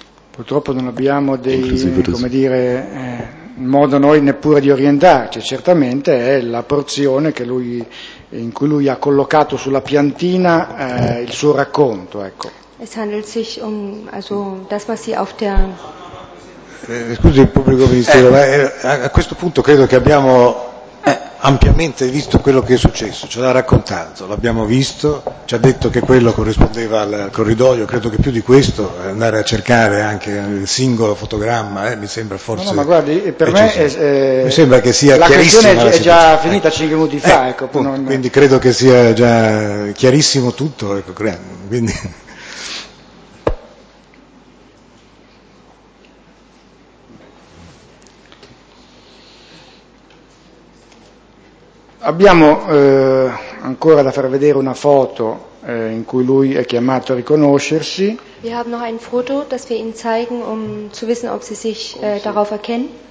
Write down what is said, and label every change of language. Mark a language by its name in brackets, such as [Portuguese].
[Italian] Purtroppo non abbiamo dei, come dire, modo noi neppure di orientarci, certamente è la porzione che lui, in cui lui ha collocato sulla piantina il suo racconto, ecco. [German] Es handelt sich um, also, das was sie auf der... [Italian] Scusi il pubblico ministero, ma a questo punto credo che abbiamo ampiamente visto quello che è successo, ce l'ha raccontato, l'abbiamo visto, ci ha detto che quello corrispondeva al corridoio, credo che più di questo andare a cercare anche il singolo fotogramma mi sembra forse... No, ma guardi, per me mi sembra che sia la chiarissima questione è già finita 5 minuti fa, ecco, quindi credo che sia già chiarissimo tutto, ecco, quindi Abbiamo ancora da far vedere una foto in cui lui è chiamato a riconoscersi. [German] Wir haben noch ein Foto, das wir Ihnen zeigen, um zu wissen, ob Sie sich darauf erkennen.